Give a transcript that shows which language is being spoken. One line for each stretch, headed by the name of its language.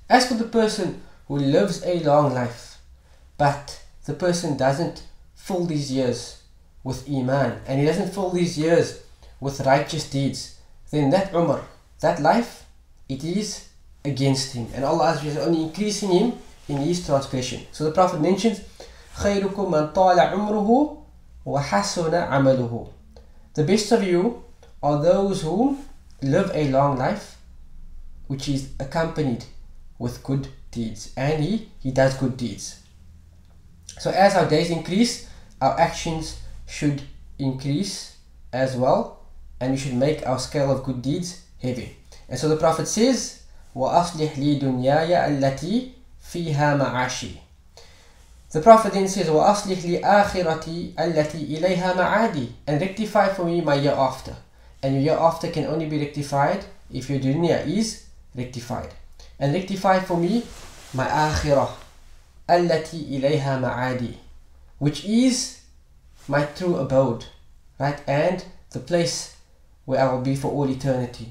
English: As for the person who lives a long life, but the person doesn't fill these years with iman, and he doesn't fill these years with righteous deeds, then that umr, that life, it is against him. And Allah Azza wa Jalla is only increasing him in his transgression. So the Prophet mentions,
Arabic: خَيْرُكُمْ مَنْ طَالَ عُمْرُهُ وَحَسُنَ عَمَلُهُ.
English: The best of you are those who live a long life, which is accompanied with good deeds. And he does good deeds. So as our days increase, our actions should increase as well, and we should make our scale of good deeds heavy. And so the Prophet says,
Arabic: وَأَصْلِحْ لِي دُنْيَايَ الَّتِي فِيهَا مَعَاشِي.
English: The Prophet then says,
Arabic: وَأَصْلِحْ لِي آخِرَتِي الَّتِي إِلَيْهَا مَعَادِي.
English: And rectify for me my year after. And your year after can only be rectified if your dunya is rectified. And rectify for me my akhirah,
Arabic: الَّتِي إِلَيْهَا مَعَادِي,
English: which is my true abode, right? And the place where I will be for all eternity.